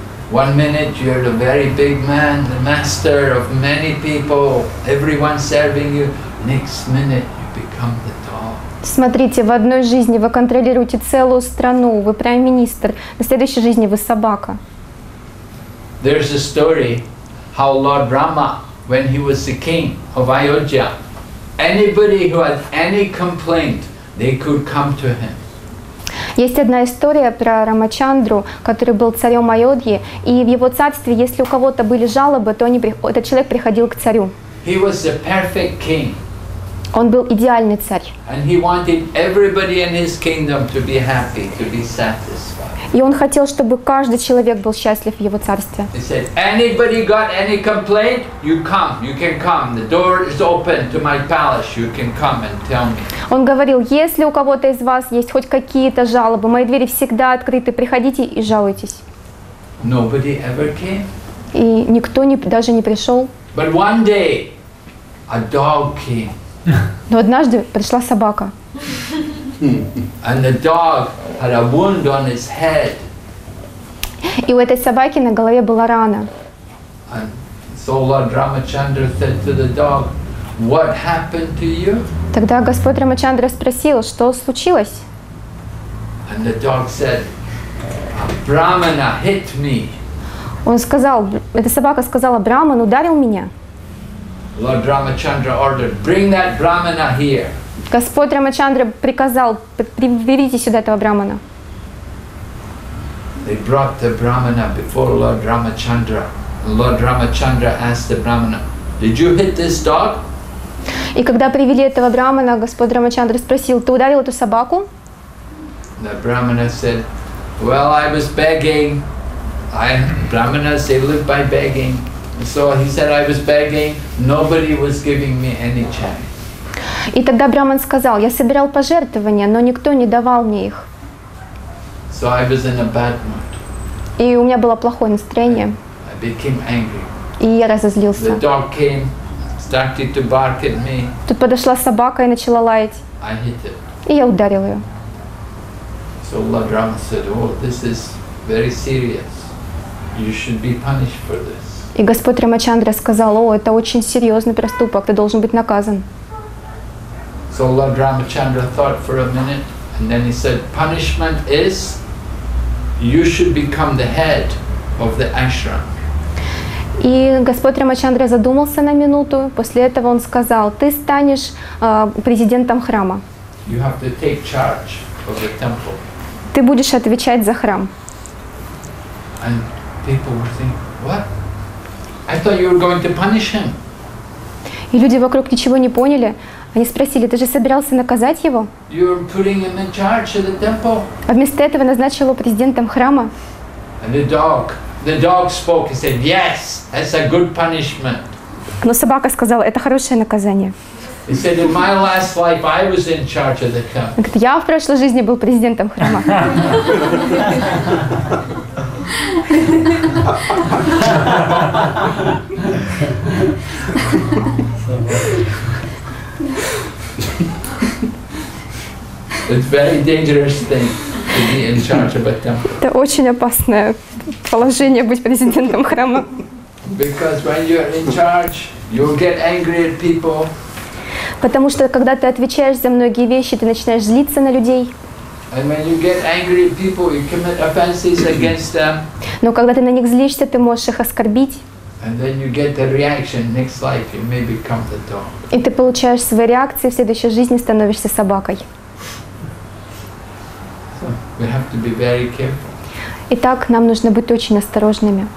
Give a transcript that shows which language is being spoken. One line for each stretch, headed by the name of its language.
English: One minute you're the very big man, the master of many people, everyone serving you. Next minute you become the dog.
Russian: Смотрите, в одной жизни вы контролируете целую страну, вы премьер-министр, на следующей жизни вы собака.
English: There's a story how Lord Rama, when he was the king of Ayodhya, anybody who had any complaint, they could come to him.
Russian: Есть одна история про Рамачандру, который был царем Айодхи, и в его царстве, если у кого-то были жалобы, то этот человек приходил к царю.
English: He was the perfect king.
Russian: Он был идеальный царь.
English: And he wanted everybody in his kingdom to be happy, to be satisfied.
Russian: И он хотел, чтобы каждый человек был счастлив в его царстве.
English: He said, anybody got any complaint, you come, you can come. The door is open to my palace, you can come and tell me.
Russian: Он говорил, если у кого-то из вас есть хоть какие-то жалобы, мои двери всегда открыты, приходите и жалуйтесь.
English: Nobody ever came.
Russian: И никто даже не пришел.
English: But one day, a dog came.
Russian: Но однажды пришла собака.
English: And the dog had a wound on his head.
Russian: И у этой собаки на голове была рана.
English: And so Lord Ramachandra said to the dog, "What happened to you?"
Russian: Тогда Господь Рамачандра спросил, что случилось?
English: And the dog said, "A brahmana hit me."
Russian: Он сказал, эта собака сказала, браман ударил меня.
English: Lord Ramachandra ordered, "Bring that brahmana here."
Russian: Господь Рамачандра приказал, приведите сюда этого брахмана.
English: They brought the brahmana before Lord Ramachandra. Lord Ramachandra asked the brahmana, "Did you hit this dog?"
Russian: И когда привели этого брахмана, Господь Рамачандра спросил, ты ударил эту собаку?
English: The brahmana said, "Well, I was begging. Brahmanas, they live by begging. So he said, I was begging. Nobody was giving me any chance."
Russian: И тогда Браман сказал, я собирал пожертвования, но никто не давал мне их.
English: So I was in a bad mood.
Russian: И у меня было плохое настроение.
English: I became angry.
Russian: И я разозлился.
English: The dog came, started to bark at me.
Russian: Тут подошла собака и начала лаять.
English: I hit it.
Russian: И я ударил ее.
English: So Lord Rama said, "Oh, this is very serious. You should be punished for this."
Russian: И Господь Рамачандра сказал, о, это очень серьезный проступок, ты должен быть наказан.
English: So Lord Ramachandra thought for a minute, and then he said, "Punishment is, you should become the head of the ashram."
Russian: И Господь Рамачандра задумался на минуту. После этого он сказал, "Ты станешь президентом храма."
English: You have to take charge of the temple.
Russian: Ты будешь отвечать за храм.
English: And people were thinking, "What? I thought you were going to punish him."
Russian: И люди вокруг ничего не поняли. Они спросили, ты же собирался наказать его? А вместо этого назначил его президентом храма? Но собака сказала, это хорошее наказание. Он говорит, я в прошлой жизни был президентом храма.
English: It's very dangerous thing to be in charge of a temple.
Russian: Это очень опасное положение быть президентом храма.
English: Because when you're in charge, you'll get angry at people.
Russian: Потому что когда ты отвечаешь за многие вещи, ты начинаешь злиться на людей.
English: And when you get angry at people, you commit offenses against them.
Russian: Но когда ты на них злишься, ты можешь их оскорбить.
English: And then you get the reaction next life, you may become the dog.
Russian: И ты получаешь свою реакцию, в следующей жизни становишься собакой.
English: We have to be very careful.
Russian: Итак, нам нужно быть очень осторожными.